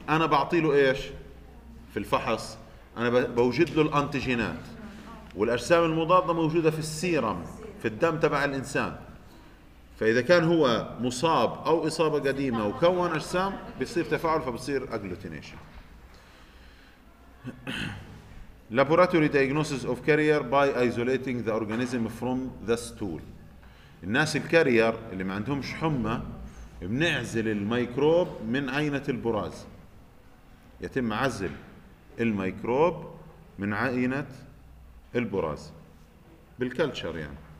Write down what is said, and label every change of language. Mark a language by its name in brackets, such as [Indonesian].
[Arabic] انا بعطي له ايش في الفحص؟ انا بوجد له الانتيجينات والاجسام المضاده موجوده في السيرم في الدم تبع الانسان. فاذا كان هو مصاب او اصابه قديمه وكون اجسام بيصير تفاعل فبصير اجلوتينيشن. [English] Laboratory diagnosis of carrier by isolating the organism from the stool. [Arabic] الناس الكارير اللي ما عندهمش حمى بنعزل الميكروب من عينة البراز. يتم عزل الميكروب من عينة البراز بالكلتشر يعني.